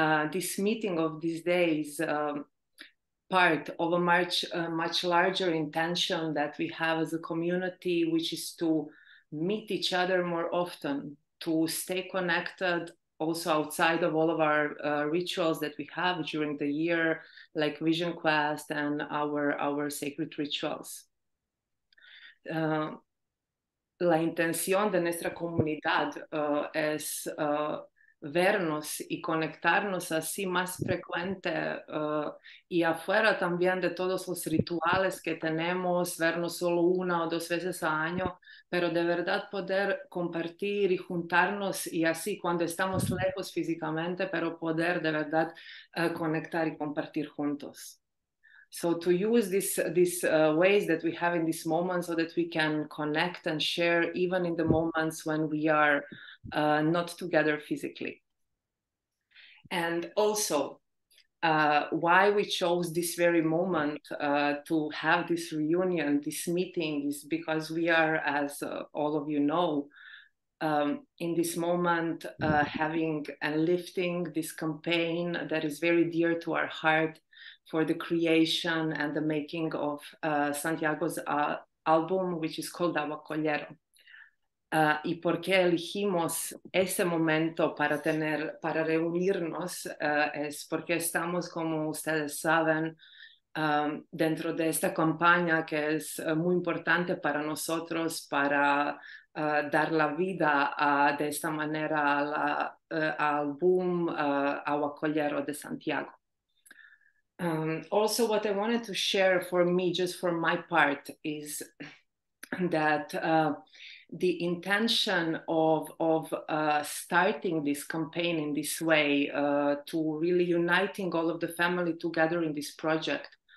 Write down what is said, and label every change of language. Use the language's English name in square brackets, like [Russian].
[English] This meeting of this day is part of a much, much larger intention that we have as a community, which is to meet each other more often, to stay connected also outside of all of our rituals that we have during the year, like Vision Quest and our sacred rituals. [Spanish] La intención de nuestra comunidad es vernos y conectarnos así más frecuente y afuera también de todos los rituales que tenemos, vernos solo una o dos veces al año, pero de verdad poder compartir y juntarnos y así cuando estamos lejos físicamente, pero poder de verdad conectar y compartir juntos. [English] So to use these ways that we have in this moment so that we can connect and share even in the moments when we are not together physically. And also, why we chose this very moment to have this reunion, this meeting, is because we are, as all of you know, in this moment having and lifting this campaign that is very dear to our heart for the creation and the making of Santiago's album, which is called Awakollero. [Spanish] Y por qué elegimos ese momento para tener, para reunirnos, es porque estamos, como ustedes saben, dentro de esta campaña que es muy importante para nosotros, para dar la vida de esta manera al álbum Awakollero de Santiago. [English] Also, what I wanted to share for me, just for my part, is that the intention of starting this campaign in this way, to really uniting all of the family together in this project,